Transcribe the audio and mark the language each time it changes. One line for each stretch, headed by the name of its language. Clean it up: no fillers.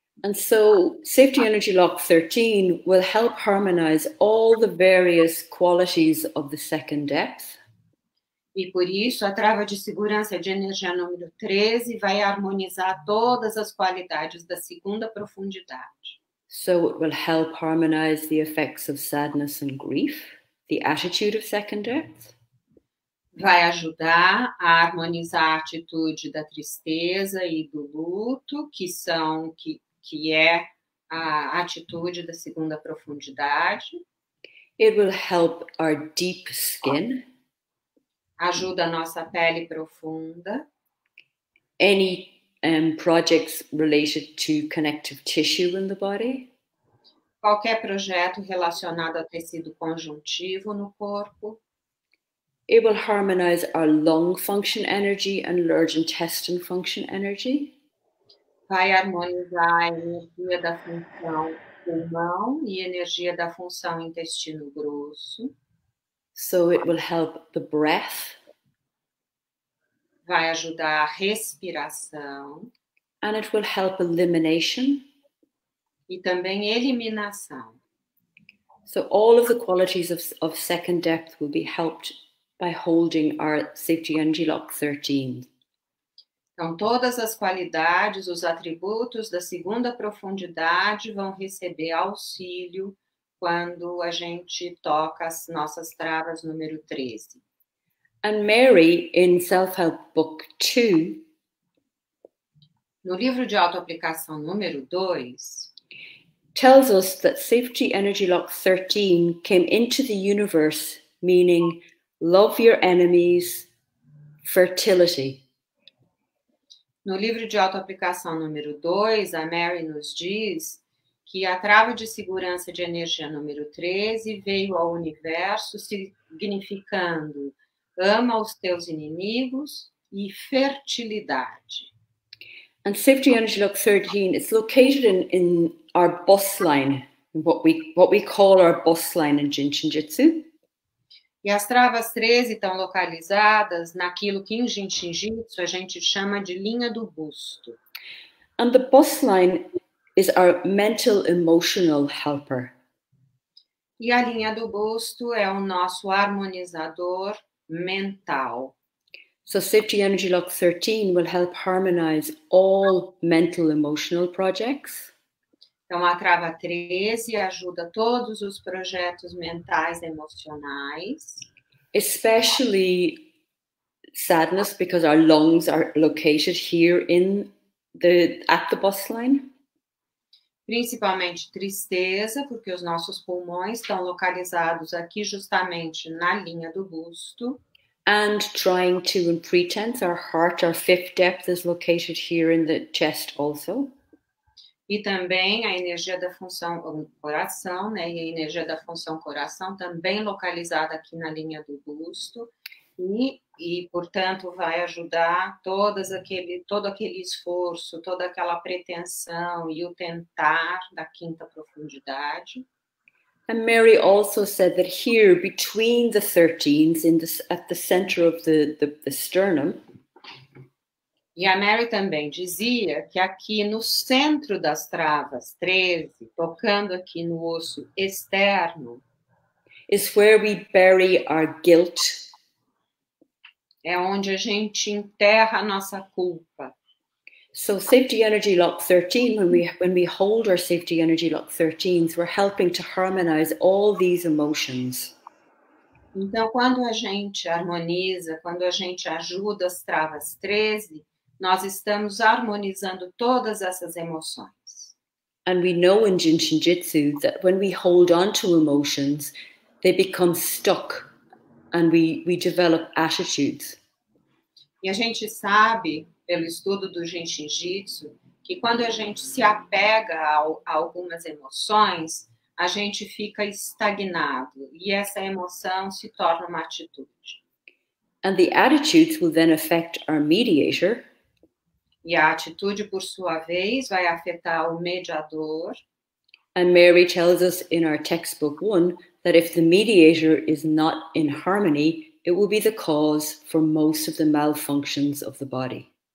English: And so, Safety Energy Lock 13 will help harmonize all the various qualities of the second depth.
Portuguese: E por isso, a trava de segurança de energia número 13 vai harmonizar todas as qualidades da segunda profundidade.
English: So it will help harmonize the effects of sadness and grief, the attitude of second depth.
Portuguese: Vai ajudar a harmonizar a atitude da tristeza e do luto, que é a atitude da segunda profundidade.
English: It will help our deep skin.
Portuguese: Ajuda a nossa pele profunda.
English: Any projects related to connective tissue in the body.
Portuguese: Qualquer projeto relacionado a tecido conjuntivo no corpo.
English: It will harmonize our lung function energy and large intestine function energy.
Portuguese: Vai harmonizar a energia da função pulmão e energia da função intestino grosso.
English: So it will help the breath.
Portuguese: Vai ajudar a respiração.
English: And it will help elimination.
Portuguese: E também eliminação.
English: So all of the qualities of second depth will be helped by holding our safety energy lock 13.
Portuguese: Então, todas as qualidades, os atributos da segunda profundidade vão receber auxílio quando a gente toca as nossas travas número 13.
English: And Mary, in self-help book 2,
Portuguese: no livro de autoaplicação número 2,
English: tells us that safety energy lock 13 came into the universe, meaning love your enemies, fertility.
Portuguese: No livro de autoaplicação número 2, a Mary nos diz que a trava de segurança de energia número 13 veio ao universo significando ama os teus inimigos e fertilidade.
English: And safety energy lock 13 is located in our bus line, what we call our bus line in Jin Shin Jyutsu.
Portuguese: E as travas 13 estão localizadas naquilo que em Jin Shin Jyutsu a gente chama de linha do busto.
English: And the bus line is our mental emotional helper.
Portuguese: E a linha do busto é o nosso harmonizador mental.
English: So safety energy lock 13 will help harmonize all mental emotional projects.
Portuguese: Então, a trava 13 ajuda todos os projetos mentais e emocionais.
English: Especially sadness, because our lungs are located here at the bus line.
Portuguese: Principalmente tristeza, porque os nossos pulmões estão localizados aqui justamente na linha do busto.
English: And trying to and pretense, our heart, our fifth depth is located here in the chest also.
Portuguese: E também a energia da função coração, né? E a energia da função coração também localizada aqui na linha do busto. E portanto, vai ajudar todo aquele esforço, toda aquela pretensão e o tentar da quinta profundidade.
English: And Mary also said that here, between the 13s, at the center of the sternum,
Portuguese: e a Mary também dizia que aqui no centro das travas 13, tocando aqui no osso externo,
English: is where we bury our guilt.
Portuguese: É onde a gente enterra a nossa culpa.
English: So safety energy lock 13, when we hold our safety energy lock 13, we're helping to harmonize all these emotions.
Portuguese: Então, quando a gente harmoniza, quando a gente ajuda as travas 13, nós estamos harmonizando todas essas emoções.
English: And we know in Jin Shin Jyutsu that when we hold on to emotions, they become stuck and we develop attitudes.
Portuguese: E a gente sabe, pelo estudo do Jin Shin Jyutsu, que quando a gente se apega a algumas emoções, a gente fica estagnado e essa emoção se torna uma atitude.
English: And the attitudes will then affect our mediator.
Portuguese: E a atitude, por sua vez, vai afetar o mediador.
English: And Mary tells us in our textbook 1 that if the mediator is not in harmony, it will be the cause for most of the malfunctions of the body.